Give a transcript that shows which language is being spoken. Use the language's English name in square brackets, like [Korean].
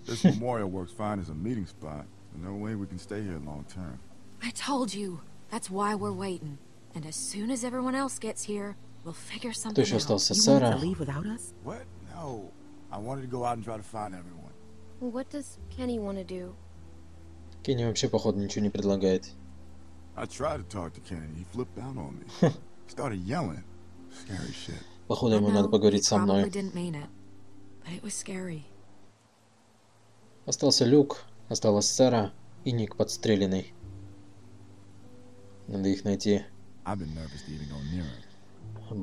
[English] This memorial works fine as a meeting spot. There's no way we can stay here long term. I told you. That's why we're waiting. And as soon as everyone else gets here, we'll figure something out. [Russian] Ты что, остался, Сара? [English] You want to leave without us? What? No. I wanted to go out and try to find everyone. Well, what does Kenny want to do? [Russian] Kenny вообще походу ничего не предлагает. [English] I tried to talk to Kenny. He flipped out on me. Started yelling. Scary shit. [Russian] Походу ему надо поговорить со мной. [English] Probably didn't mean it, but it was scary. [Russian] Остался Люк, осталась Сара и Ник подстреленный. Надо их найти. [English] I've been nervous to even go near him.